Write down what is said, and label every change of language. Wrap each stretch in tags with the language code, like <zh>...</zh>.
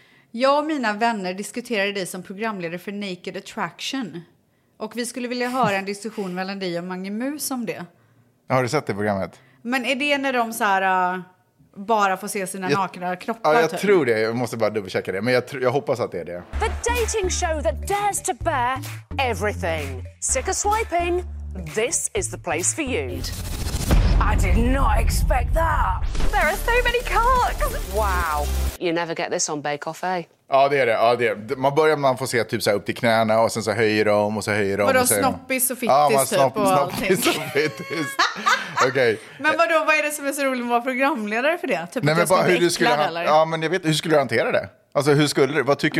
<sv>Jag och mina vänner diskuterade dig som programledare för Naked Attraction. Och vi skulle vilja höra en diskussion mellan dig och Mange Mus om det. Har du sett det programmet? Men är det när de så här... bara få se sina nakna kroppar. Ja, jag tror det. Jag måste bara dubbelchecka det. Men jag hoppas att det är det.</sv> <en>The dating show that dares to bear everything. Sick of swiping? This is the place for you. I did not expect that. There are so many cocks. Wow. You never get this on Bake Off, eh?</en> <sv>Ja, det är det. Ja, det är. Man börjar med att få se typ så här upp till knäna och sen så höjer de och så höjer de. Vadå, snoppis och fittis? Ja, man snoppis och fittis. Okej.</sv> <en>Okay.</en> <sv>Men vadå, vad är det som är så roligt att vara programledare för det? Typ. Nej, men bara hur du skulle... Eller? Ja, men jag vet, hur skulle du hantera det? Alltså, hur skulle du... Vad tycker</sv>